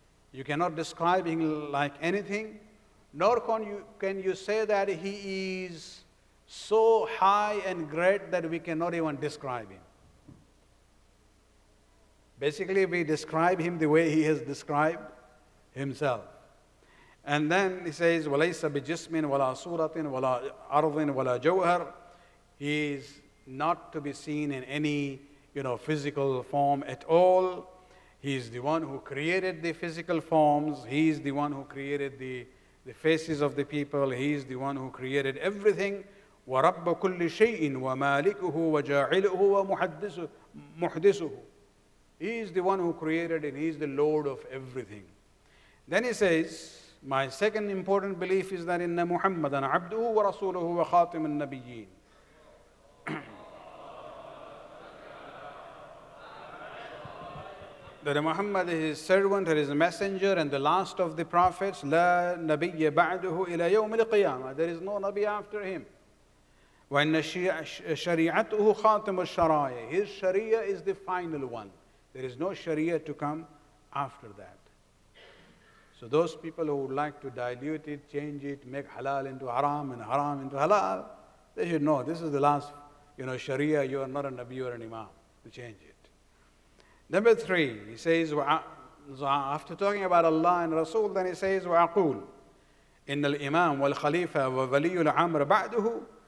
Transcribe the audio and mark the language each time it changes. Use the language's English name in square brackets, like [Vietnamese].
[English] You cannot describe him like anything, nor can you say that he is so high and great that we cannot even describe him. Basically, we describe him the way he has described himself. And then he says, [Arabic] وَلَيْسَ بِجِسْمٍ وَلَا صُورَةٍ وَلَا أَرْضٍ وَلَا جَوْهَرٍ. [English] He is not to be seen in any, you know, physical form at all. He is the one who created the physical forms. He is the one who created the faces of the people. He is the one who created everything. [Arabic] وَرَبَّ كُلِّ شَيْءٍ وَمَالِكُهُ وَجَاعِلُهُ وَمُحَدِّسُهُ. [English] He is the one who created and he is the Lord of everything. Then he says, my second important belief is that [Arabic] إِنَّ مُحَمَّدًا عَبْدُهُ وَرَسُولُهُ وَخَاتِمُ النَّبِيِّينَ. [English] That Muhammad is his servant, and his messenger, and the last of the prophets. [Arabic] لا نبي بعده إلى يوم القيامة. [English] There is no Nabi after him. [Arabic] وإن شريعته خاتم الشرايع. [English] His Sharia is the final one. There is no Sharia to come after that. So those people who would like to dilute it, change it, make halal into haram and haram into halal, they should know this is the last, you know, Sharia. You are not a Nabi or an Imam to change it. Number three, he says, after talking about Allah and Rasul, then he says, [Arabic] وَعَقُولُ إِنَّ الْإِمَامُ وَالْخَلِيفَةُ وَوَلِيُّ الْعَمْرِ بَعْدُهُ.